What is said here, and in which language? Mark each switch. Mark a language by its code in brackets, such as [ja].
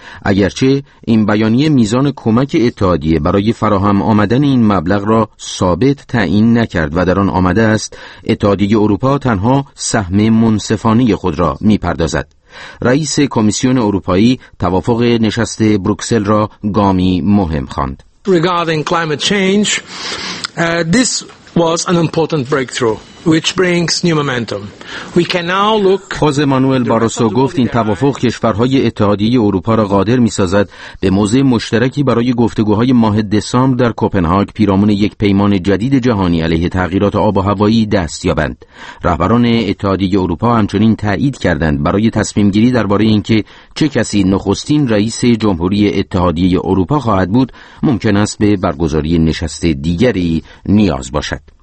[fa] اگرچه این بیانیه میزان کمک اتحادیه برای فراهم آمدن این مبلغ را ثابت تعیین نکرد و در آن آمده است اتحادیه اروپا تنها سهم منصفانه خود را می‌پردازد. رئیس کمیسیون اروپایی توافق نشست بروکسل را گامی مهم خواند. [en] Regarding climate change, this was an important breakthrough which brings new momentum. We can now look. [fa] خوزه مانوئل باروسو گفت این توافق کشورهای اتحادیه اروپا را قادر می‌سازد به موضع مشترکی برای گفتگوهای ماه دسامبر در کوپنهاگ پیرامون یک پیمان جدید جهانی علیه تغییرات آب و هوایی دست یابند. رهبران اتحادیه اروپا همچنین تایید کردند برای تصمیم گیری درباره اینکه چه کسی نخستین رئیس جمهوری اتحادیه اروپا خواهد بود، ممکن است به برگزاری نشست دیگری نیاز باشد.